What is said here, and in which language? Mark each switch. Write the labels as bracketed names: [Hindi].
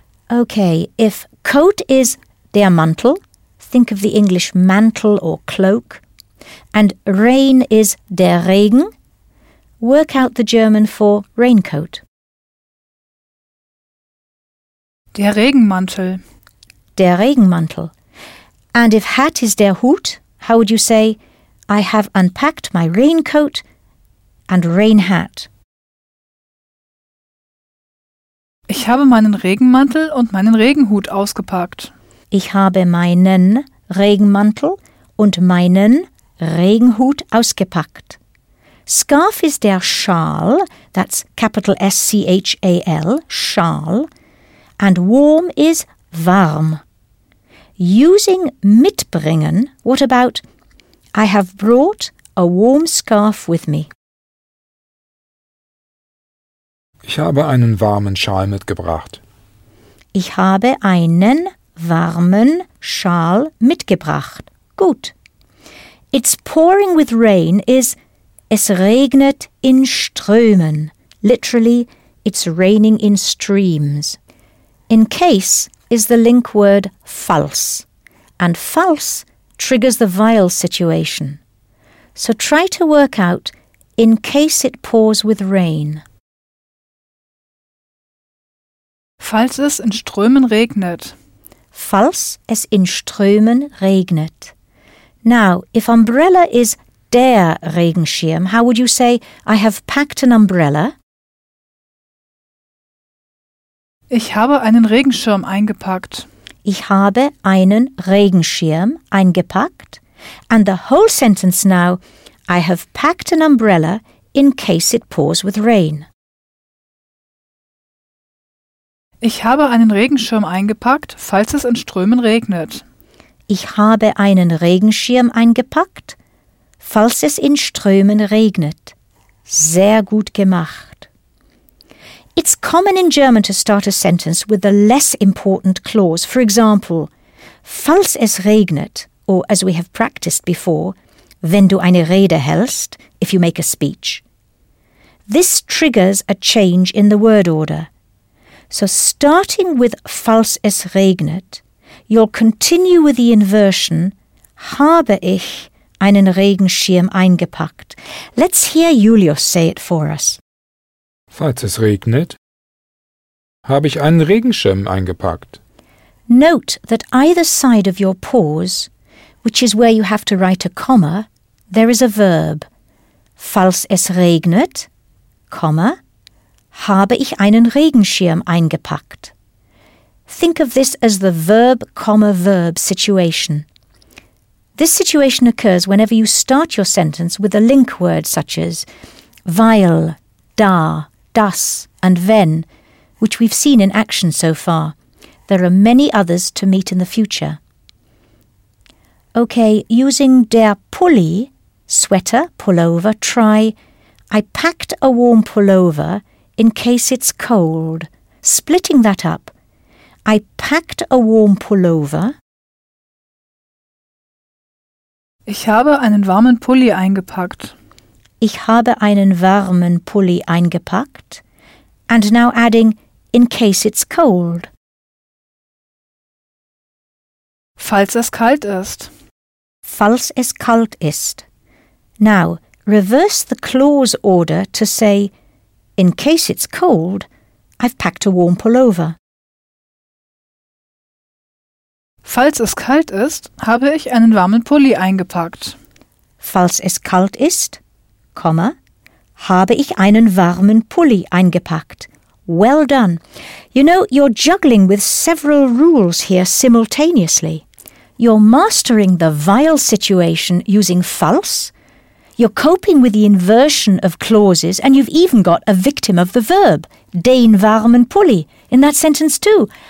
[English] Okay, if coat is der Mantel, think of the English mantle or cloak, and rain is der Regen, work out the German for raincoat. [German] Der Regenmantel. Der Regenmantel. [English] And if hat is der Hut, how would you say, I have unpacked my raincoat and rain hat? [German] Ich habe meinen Regenmantel und meinen Regenhut ausgepackt. Ich habe meinen Regenmantel und meinen Regenhut ausgepackt. [English] Scarf is der Schal, that's capital S-C-H-A-L, Schal, and warm is warm. Using mitbringen, what about I have brought a warm scarf with me? [German] Ich habe einen warmen Schal mitgebracht. Ich habe einen warmen Schal mitgebracht. Gut. [English] It's pouring with rain is [German] es regnet in Strömen. [English] Literally, it's raining in streams. In case is the link word falls. And falls triggers the vial situation. So try to work out in case it pours with rain. [German] Falls es in Strömen regnet. Falls es in Strömen regnet. [English] Now, if umbrella is der Regenschirm, how would you say, I have packed an umbrella? [German] Ich habe einen Regenschirm eingepackt. Ich habe einen Regenschirm eingepackt. [English] And the whole sentence now, I have packed an umbrella in case it pours with rain. [German] Ich habe einen Regenschirm eingepackt, falls es in Strömen regnet. Ich habe einen Regenschirm eingepackt, falls es in Strömen regnet. Sehr gut gemacht. [English] It's common in German to start a sentence with a less important clause. For example, [German] falls es regnet, [English] or as we have practiced before, [German] wenn du eine Rede hältst, [English] if you make a speech. This triggers a change in the word order. So starting with [German] falls es regnet, [English] you'll continue with the inversion, [German] habe ich einen Regenschirm eingepackt. [English] Let's hear Julius say it for us. [German] Falls es regnet, habe ich einen Regenschirm eingepackt. [English] Note that either side of your pause, which is where you have to write a comma, there is a verb. [German] Falls es regnet, comma, habe ich einen Regenschirm eingepackt. [English] Think of this as the verb, comma, verb situation. This situation occurs whenever you start your sentence with a link word such as weil, da, das, and wenn, which we've seen in action so far. There are many others to meet in the future. Okay, using der Pulli, sweater, pullover, try I packed a warm pullover in case it's cold. Splitting that up, I packed a warm pullover. [German] Ich habe einen warmen Pulli eingepackt. Ich habe einen warmen Pulli eingepackt. [English] And now adding, in case it's cold. [German] Falls es kalt ist. Falls es kalt ist. [English] Now, reverse the clause order to say, in case it's cold, I've packed a warm pullover. [German] Falls es kalt ist, habe ich einen warmen Pulli eingepackt. Falls es kalt ist, comma, habe ich einen warmen Pulli eingepackt. [English] Well done. You know, you're juggling with several rules here simultaneously. You're mastering the vial situation using falls. You're coping with the inversion of clauses, and you've even got a victim of the verb, [German] den warmen Pulli, [English] in that sentence too.